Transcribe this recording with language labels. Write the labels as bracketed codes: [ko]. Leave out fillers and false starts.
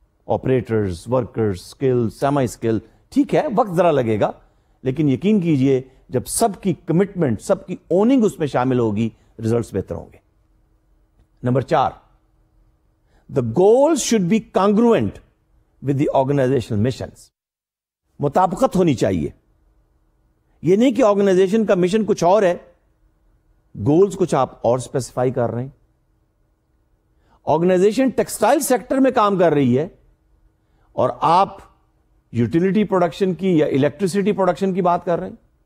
[ur] Operators, workers, skill, سیمائی skill, ٹھیک ہے وقت ذرا لگے گا، لیکن یقین کیجئے جب سب کی کمٹمنٹ، سب کی اوننگ اس میں شامل ہوگی، ریزلٹس بہتر ہوں گے. [en] Number چار، the goal should be congruent with the organizational missions. [ur] مطابقت ہونی چاہیے. یہ نہیں کہ آرگنائزیشن کا مشن کچھ اور ہے، گولز کچھ آپ اور اسپیسیفائی کر رہے ہیں. آرگنائزیشن ٹیکسٹائل سیکٹر میں کام کر رہی ہے اور آپ یوٹیلیٹی پروڈکشن کی یا الیکٹریسٹی پروڈکشن کی بات کر رہے ہیں.